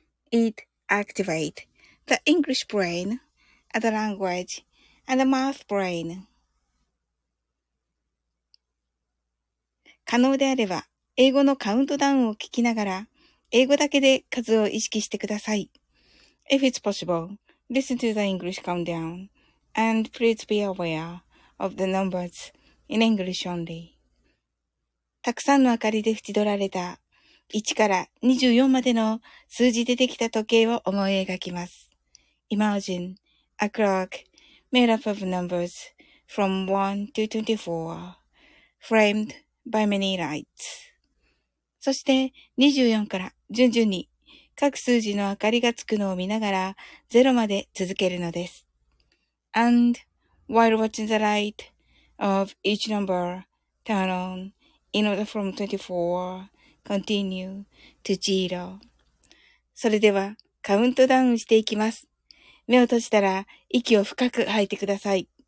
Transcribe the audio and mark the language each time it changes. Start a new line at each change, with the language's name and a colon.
English: It activate the English brain and the language. And the mouth brain.
Japanese: 可能であれば、英語のカウントダウンを聞きながら、英語だけで数を意識してください。
English: If it's possible, listen to the English countdown. And please be aware of the numbers in English only.
Japanese: たくさんの明かりで縁取られた、1から24までの数字でできた時計を思い描きます。
English: Imagine a clock. Made up of numbers from 1 to 24, framed by many lights.
Japanese: そして24から順々に各数字の明かりがつくのを見ながら0まで続けるのです。
English: And while watching the light of each number turn on in order from 24, continue to 0.
Japanese: それではカウントダウンしていきます。目を閉じたら息を深く吐いてください。